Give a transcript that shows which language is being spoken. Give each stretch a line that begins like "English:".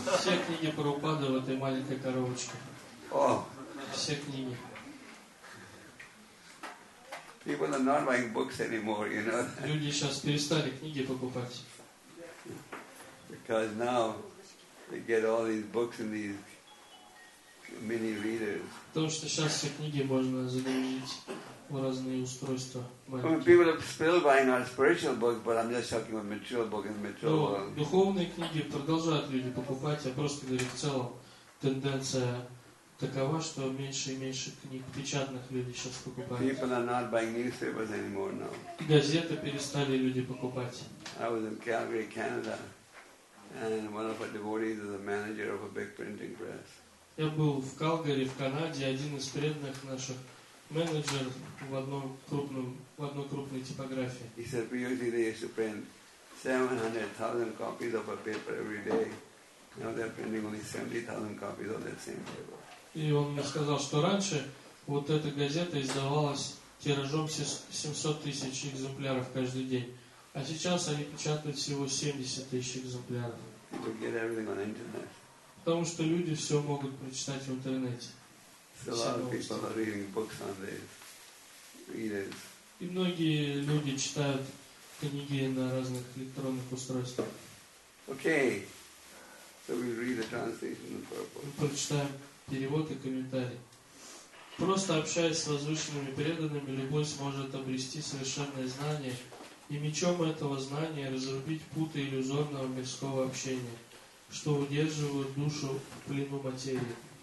Russian: Все книги Прабхупады в этой маленькой коробочке. Oh. Все книги.
English: People are not buying books anymore, you know.
Russian: Люди сейчас перестали книги покупать.
English: Because now they get all these books in these mini readers.
Russian: Потому что сейчас все книги можно загрузить. Разные устройства.
English: People are still buying our spiritual books, but I'm just talking about material books and material books.
Russian: Духовные книги продолжают люди покупать, я просто говорю, в целом тенденция такова, что меньше и меньше книг печатных люди сейчас покупают.
English: People are not buying newspapers anymore now.
Russian: Газеты перестали люди покупать.
English: I was in Calgary, Canada, and one of our devotees is the manager of a big printing press.
Russian: Я был в Калгари, в Канаде, один из преданных наших. Менеджер в одной крупной типографии.
English: He said we usually used to print 700,000 copies of a paper every day. Now they're printing only 70,000 copies of that same paper.
Russian: И он мне сказал, что раньше вот эта газета издавалась тиражом 700 тысяч экземпляров каждый день, а сейчас они печатают всего 70 тысяч экземпляров.
English: People get everything on the internet.
Russian: Потому что люди все могут прочитать в интернете.
English: A lot of people are reading books on their readers.
Russian: И многие люди читают книги на разных электронных устройствах.
English: Okay, so we read the translation in purport.
Russian: Мы прочитаем перевод и комментарий. Просто общаясь с возвышенными преданными, любой сможет обрести совершенное знание и мечом этого знания разрубить путы иллюзорного мирского общения, что удерживает душу в плену материи.